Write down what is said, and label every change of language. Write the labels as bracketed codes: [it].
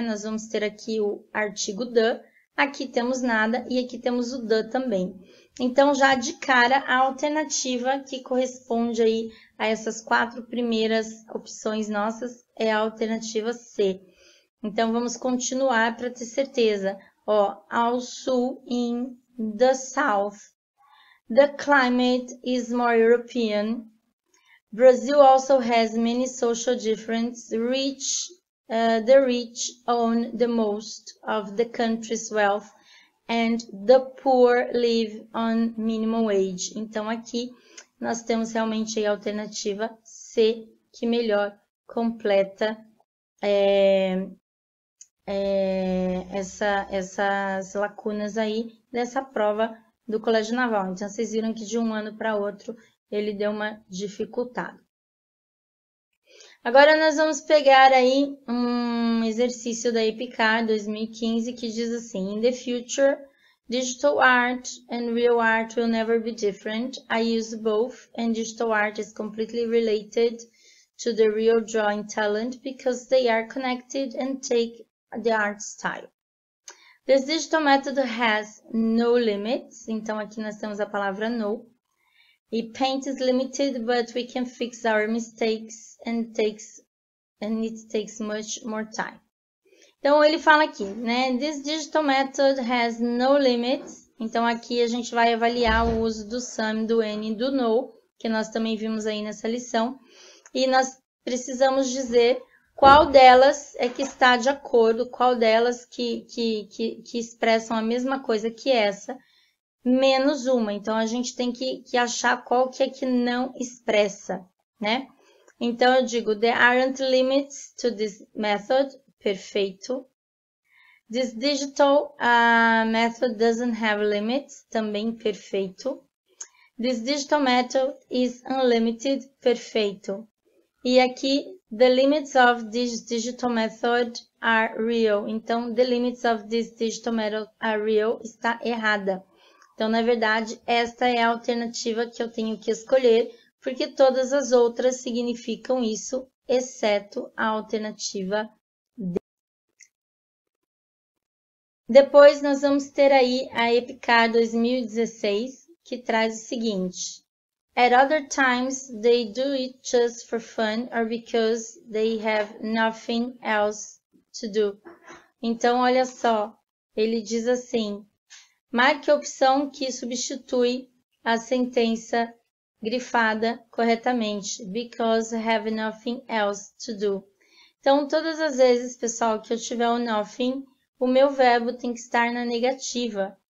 [pt] Nós vamos ter aqui o artigo the. Aqui temos nada e aqui temos o the também. Então, já de cara, a alternativa que corresponde aí a essas quatro primeiras opções nossas é a alternativa C. Então, vamos continuar para ter certeza. Ó, ao sul, [en] in the south, the climate is more European. Brazil also has many social differences. The rich own the most of the country's wealth, and the poor live on minimum wage. [pt] Então, aqui nós temos realmente aí a alternativa C, que melhor completa essas lacunas aí dessa prova do Colégio Naval. Então, vocês viram que de um ano para outro ele deu uma dificultada. Agora, nós vamos pegar aí um exercício da EPICAR 2015 que diz assim: [en] In the future, digital art and real art will never be different. I use both, and digital art is completely related to the real drawing talent because they are connected and take the art style. This digital method has no limits. [pt] Então, aqui nós temos a palavra no. [en] E paint is limited, but we can fix our mistakes and it takes much more time. [pt] Então, ele fala aqui, né? [en] This digital method has no limits. [pt] Então, aqui a gente vai avaliar o uso do some, do any e do no, que nós também vimos aí nessa lição. E nós precisamos dizer qual delas é que está de acordo, qual delas que expressam a mesma coisa que essa, menos uma. Então, a gente tem que achar qual que é que não expressa. né? Então, eu digo, [en] there aren't limits to this method. [pt] Perfeito. [en] This digital method doesn't have limits. [pt] Também perfeito. [en] This digital method is unlimited. [pt] Perfeito. E aqui, [en] the limits of this digital method are real. [pt] Então, [en] the limits of this digital method are real [pt] está errada. Então, na verdade, esta é a alternativa que eu tenho que escolher, porque todas as outras significam isso, exceto a alternativa D. Depois, nós vamos ter aí a EPICAR 2016, que traz o seguinte. [en] At other times, they do it just for fun or because they have nothing else to do. [pt] Então, olha só, ele diz assim: marque a opção que substitui a sentença grifada corretamente. [en] Because I have nothing else to do. [pt] Então, todas as vezes, pessoal, que eu tiver o nothing, o meu verbo tem que estar na negativa.